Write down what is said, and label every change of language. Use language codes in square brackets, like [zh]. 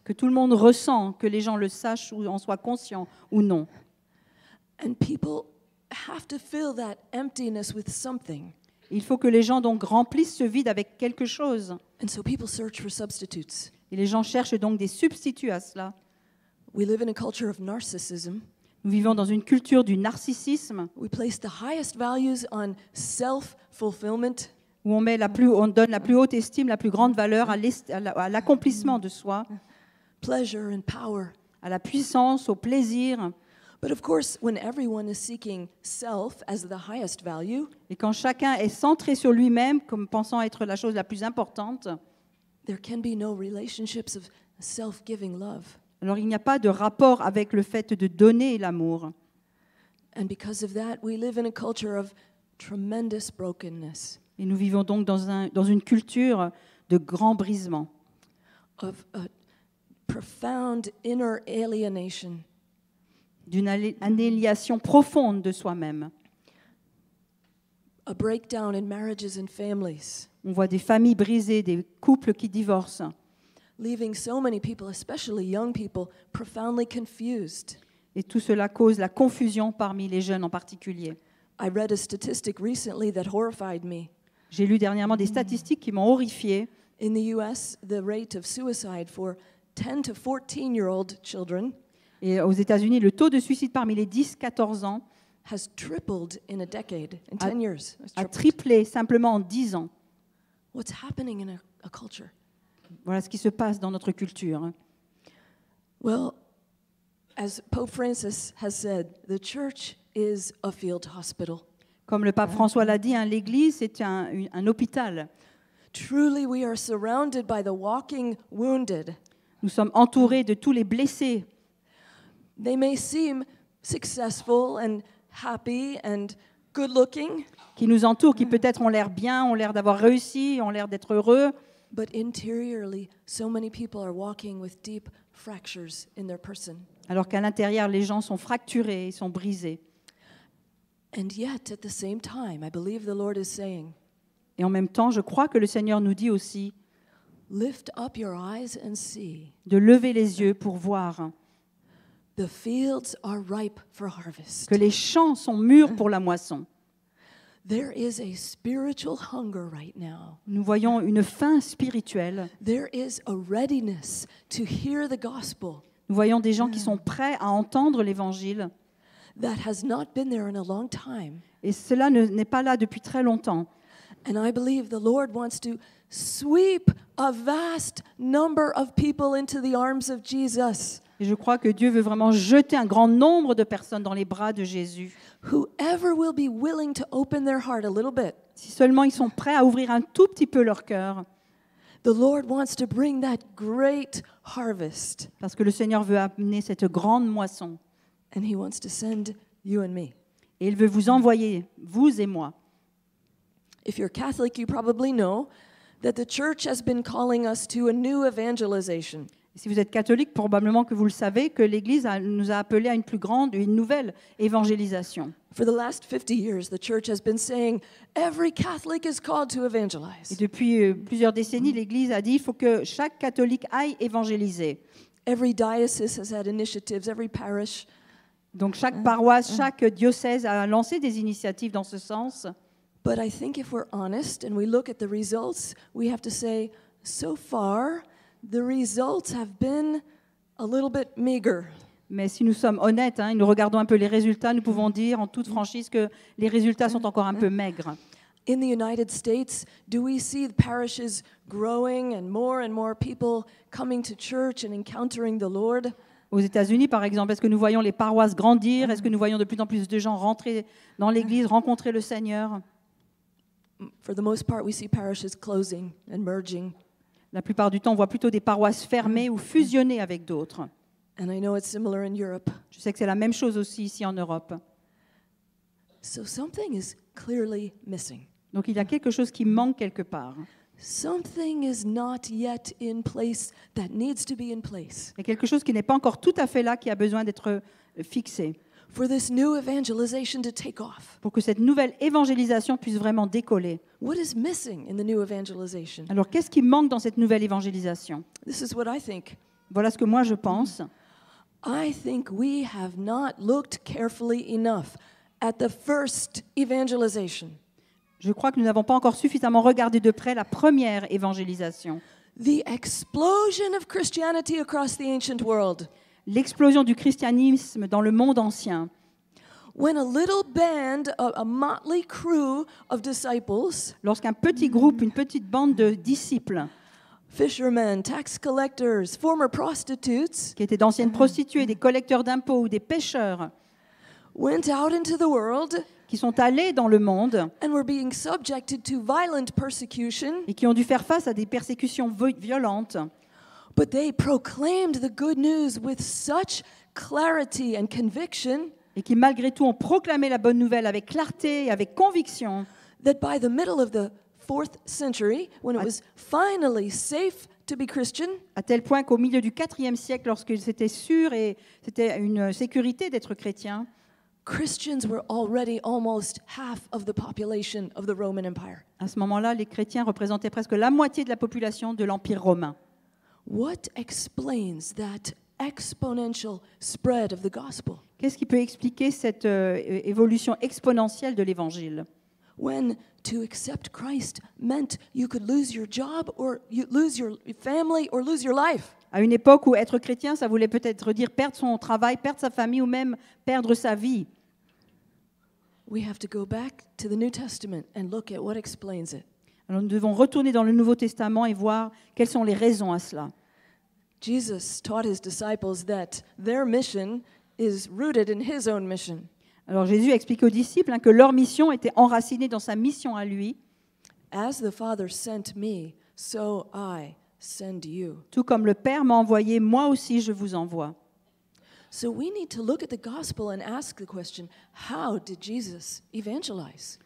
[fr] Que tout le monde ressent, que les gens le sachent ou en soient conscients ou non. [en] And people have to fill that emptiness with something. [fr] Il faut que les gens donc remplissent ce vide avec quelque chose. [en] And so people search for substitutes. [fr] Et les gens cherchent donc des substituts à cela. [en] We live in a culture of narcissism. [fr] Nous vivons dans une culture du narcissisme. [en] We place the highest values on self-fulfillment. [fr] où on met la plus, on donne la plus haute estime, la plus grande valeur à l'accomplissement de soi. [en] Pleasure and power. [fr] À la puissance, au plaisir. [en] But of course, when everyone is seeking self as the highest value, [fr] et quand chacun est centré sur lui-même comme pensant être la chose la plus importante, [en] there can be no relationships of self-giving love. [fr] Alors il n'y a pas de rapport avec le fait de donner l'amour. [en] And because of that, we live in a culture of tremendous brokenness. [fr] Et nous vivons donc dans une culture de grand brisement. [en] Of a profound inner alienation. [fr] D'une aliénation profonde de soi-même. [en] A breakdown in marriages and families. [fr] On voit des familles brisées, des couples qui divorcent. [en] Leaving so many people, especially young people, profoundly confused. [fr] Et tout cela cause la confusion parmi les jeunes en particulier. [en] I read a statistic recently that horrified me. [fr] J'ai lu dernièrement des statistiques qui m'ont horrifiée. [en] In the US, the rate of suicide for 10 to 14-year-old children. [fr] Et aux États-Unis, le taux de suicide parmi les 10-14 ans [en] has tripled in a decade, in 10 years. [fr] A triplé simplement en 10 ans. [en] What's happening in a culture? [fr] Voilà ce qui se passe dans notre culture. [en] Well, as Pope Francis has said, the church is a field hospital. [fr] Comme le pape François l'a dit, l'église est un hôpital. [en] Truly, we are surrounded by the walking wounded. [fr] Nous sommes entourés de tous les blessés. [en] They may seem successful and happy and good-looking. [fr] Qui nous entourent, qui peut-être ont l'air bien, ont l'air d'avoir réussi, ont l'air d'être heureux. [en] But interiorly, so many people are walking with deep fractures in their person. [fr] Alors qu'à l'intérieur, les gens sont fracturés, ils sont brisés. [en] And yet, at the same time, I believe the Lord is saying. [fr] Et en même temps, je crois que le Seigneur nous dit aussi. [en] Lift up your eyes and see. [fr] De lever les yeux pour voir. [en] The fields are ripe for harvest. [fr] Que les champs sont mûrs pour la moisson. [en] There is a spiritual hunger right now. [fr] Nous voyons une faim spirituelle. [en] There is a readiness to hear the gospel. [fr] Nous voyons des gens qui sont prêts à entendre l'évangile. [en] That has not been there in a long time. [fr] Et cela n'est pas là depuis très longtemps. [en] And I believe the Lord wants to sweep a vast number of people into the arms of Jesus. [fr] Et je crois que Dieu veut vraiment jeter un grand nombre de personnes dans les bras de Jésus. [en] Whoever will be willing to open their heart a little bit. [fr] Si seulement ils sont prêts à ouvrir un tout petit peu leur cœur. [en] The Lord wants to bring that great harvest. [fr] Parce que le Seigneur veut amener cette grande moisson. [en] And he wants to send you and me. [fr] Et il veut vous envoyer, vous et moi. [en] If you're Catholic, you probably know that the church has been calling us to a new evangelization. [fr] Si vous êtes catholique, probablement que vous le savez, que l'Église nous a appelés à une plus grande, une nouvelle évangélisation. [en] For the last 50 years, the church has been saying every Catholic is called to evangelize. [fr] Et depuis plusieurs décennies, l'Église a dit qu'il faut que chaque catholique aille évangéliser. [en] Every diocese has had initiatives, every parish. [fr] Donc chaque paroisse, chaque diocèse a lancé des initiatives dans ce sens. [en] But I think if we're honest and we look at the results, we have to say, so far, the results have been a little bit meager. [fr] Mais si nous sommes honnêtes, nous regardons un peu les résultats, nous pouvons dire en toute franchise que les résultats sont encore un peu maigres. [en] In the United States, do we see the parishes growing and more people coming to church and encountering the Lord? [fr] Aux États-Unis, par exemple, est-ce que nous voyons les paroisses grandir? Est-ce que nous voyons de plus en plus de gens rentrer dans l'église, rencontrer le Seigneur? [en] For the most part, we see parishes closing and merging. [fr] La plupart du temps, on voit plutôt des paroisses fermées ou fusionnées avec d'autres. [en] And I know it's similar in Europe. [fr] Je sais que c'est la même chose aussi ici en Europe. [en] So something is clearly missing. [fr] Donc il y a quelque chose qui manque quelque part. [en] Something is not yet in place that needs to be in place. [fr] Il y a quelque chose qui n'est pas encore tout à fait là, qui a besoin d'être fixé. [en] For this new evangelization to take off. [fr] Pour que cette nouvelle évangélisation puisse vraiment décoller. [en] What is missing in the new evangelization? [fr] Alors, qu'est-ce qui manque dans cette nouvelle évangélisation? [en] This is what I think. [fr] Voilà ce que moi je pense. [en] I think we have not looked carefully enough at the first evangelization. [fr] Je crois que nous n'avons pas encore suffisamment regardé de près la première évangélisation. [en] The explosion of Christianity across the ancient world. [fr] L'explosion du christianisme dans le monde ancien. [en] When a little band, a motley crew of disciples, [fr] lorsqu'un petit groupe, une petite bande de disciples, [en] fishermen, tax collectors, former prostitutes, [fr] qui étaient d'anciennes prostituées, des collecteurs d'impôts ou des pêcheurs, [en] went out into the world, [fr] qui sont allés dans le monde, [en] and were being subjected to violent persecution, [fr] et qui ont dû faire face à des persécutions violentes. [en] But they proclaimed the good news with such clarity and conviction, [fr] et qui malgré tout ont proclamé la bonne nouvelle avec clarté et avec conviction, [en] that by the middle of the 4th century, when it was finally safe to be Christian, [fr] à tel point qu'au milieu du 4e siècle, lorsque c'était sûr et c'était une sécurité d'être chrétien, [en] Christians were already almost half of the population of the Roman Empire. [fr] À ce moment-là, les chrétiens représentaient presque la moitié de la population de l'Empire romain. [en] What explains that exponential spread of the gospel? [fr] Qu'est-ce qui peut expliquer cette évolution exponentielle de l'évangile? [en] When to accept Christ meant you could lose your job or you lose your family or lose your life. [fr] À une époque où être chrétien, ça voulait peut-être dire perdre son travail, perdre sa famille ou même perdre sa vie. [en] We have to go back to the New Testament and look at what explains it. [fr] Alors nous devons retourner dans le Nouveau Testament et voir quelles sont les raisons à cela. [en] Jesus taught his disciples that their mission is rooted in his own mission. [fr] Alors Jésus a expliqué aux disciples que leur mission était enracinée dans sa mission à lui. [en] As the Father sent me, so I send you. [fr] Tout comme le Père m'a envoyé, moi aussi je vous envoie. [en] So we need to look at the gospel and ask the question, how did Jesus evangelize?